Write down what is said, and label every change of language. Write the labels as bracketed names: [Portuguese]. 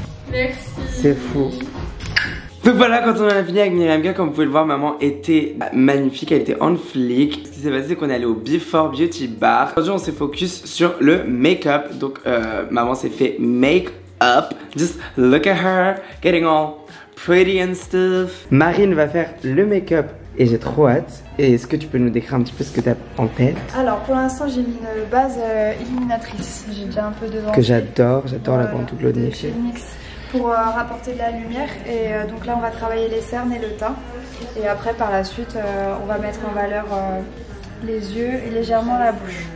[French] Merci. C'est fou. Donc voilà, quand on en a fini avec Myriam, comme vous pouvez le voir, maman était magnifique, elle était en flic. Ce qui s'est passé, c'est qu'on est allé au Before Beauty Bar. Aujourd'hui, on s'est focus sur le make-up. Donc, maman s'est fait make-up. [English] Just look at her, getting all pretty and stuff. [French] Marine va faire le make-up. Et j'ai trop hâte. Et est-ce que tu peux nous décrire un petit peu ce que t'as en tête? Alors pour l'instant j'ai mis une base illuminatrice. J'ai déjà un peu de que j'adore, j'adore la bande toute Claudine chez NYX pour rapporter de la lumière. Et donc là on va travailler les cernes et le teint. Et après par la suite on va mettre en valeur les yeux et légèrement la bouche.